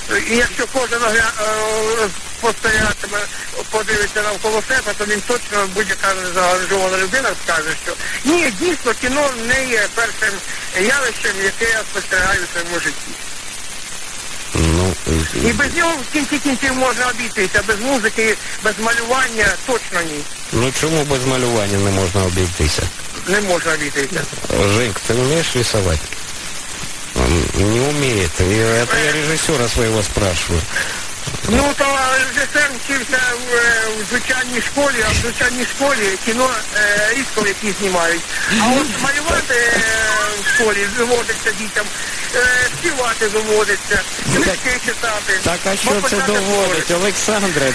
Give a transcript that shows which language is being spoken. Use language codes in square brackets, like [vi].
[uk] І якщо кожен постоятиме, подивиться навколо себе, то він точно будь-яка заангажована людина скаже, що ні, дійсно, кіно не є першим явищем, яке я спостерігаю в своєму житті. Ну, і без нього в кінці можна обійтися, без музики, без малювання точно ні. Ну чому без малювання не можна обійтися? Не можна обійтися. Женьк, ти вмієш рисувати? Не умієте. [ru] Это я режиссера своего спрашиваю. [uk] Ну, то режиссер вчився в звичайній школі, а в звичайній школі кіно рідко які знімають. А от малювати в школі доводиться дітям, співати доводиться, книжки читати. Так, а що це доводить, Олександре?